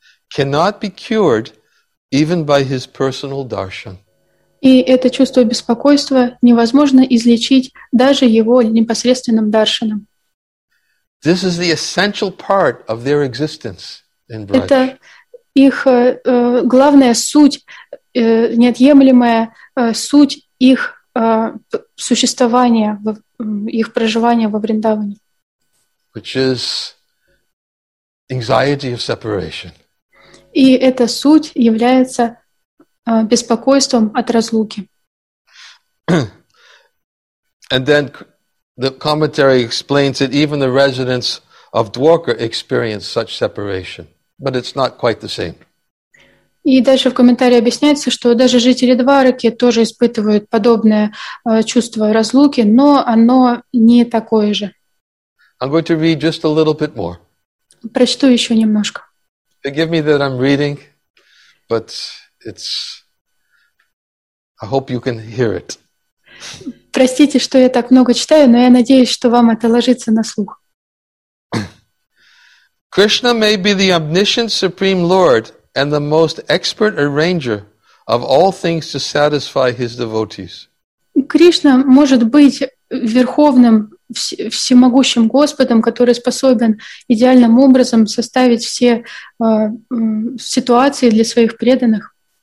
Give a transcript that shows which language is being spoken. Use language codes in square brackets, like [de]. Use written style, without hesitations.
[en] Cannot be cured even by his personal darshan. [ru] И это чувство беспокойства невозможно излечить даже его непосредственным даршаном. [en] This is the essential part of their existence in Braj. [ru] Это их главная суть, неотъемлемая суть их существования, их проживания во Вриндаване. [en] Which is anxiety of separation. [ru] И эта суть является беспокойством от разлуки. [en] And then the commentary explains that even the residents of Dwarka experience such separation, but it's not quite the same. [ru] И дальше в комментарии объясняется, что даже жители Двараки тоже испытывают подобное чувство разлуки, но оно не такое же. [en] I'm going to read just a little bit more. [ru] Прочту еще немножко. [en] Forgive me that I'm reading, but it's. I hope you can hear it. [ru] Простите, что я так много читаю, но я надеюсь, что вам это ложится на слух. [en] Krishna may be the omniscient supreme lord and the most expert arranger of all things to satisfy his devotees. [ru] Кришна может быть верховным всемогущим Господом, который способен идеальным образом составить все ситуации для своих преданных.